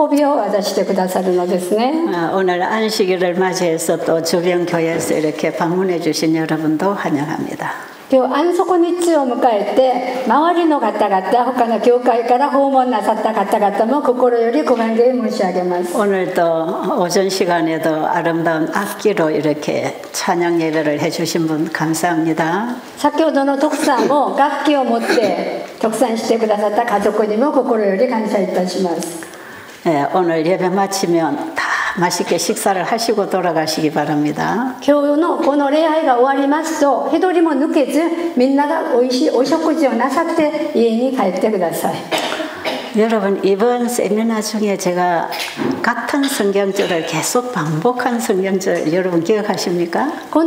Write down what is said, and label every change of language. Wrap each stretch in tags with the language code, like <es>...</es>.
<ja>神様から受け取ったものはそれが何であっても我々に喜びを渡してくださるのですね。</ja> <ko>오늘 안식일을 맞이해서 또 주변 교회에서 이렇게 방문해 주신 여러분도 환영합니다.</ko> <ja>今日安息日を迎えて周りの方々他の教会から訪問なさった方々も心より御歓迎申し上げます。</ja> <ko>오늘도 오전 시간에도 아름다운 악기로 이렇게 찬양 예배를 해주신 분 감사합니다.</ko> <ja>先ほどの徳さんも楽器を持って徳さんしてくださった家族にも心より感謝いたします。</ja> <ko>예, 오늘 예배 마치면 다 맛있게 식사를 하시고 돌아가시기 바랍니다.</ko> <ja>今日のこの礼拝が終わりますと一人も抜けずみんながおいしいお食事をなさって家に帰ってください。</ja> <ko>여러분 이번 세미나 중에 제가 같은 성경절을 계속 반복한 성경절 여러분 기억하십니까?</ko>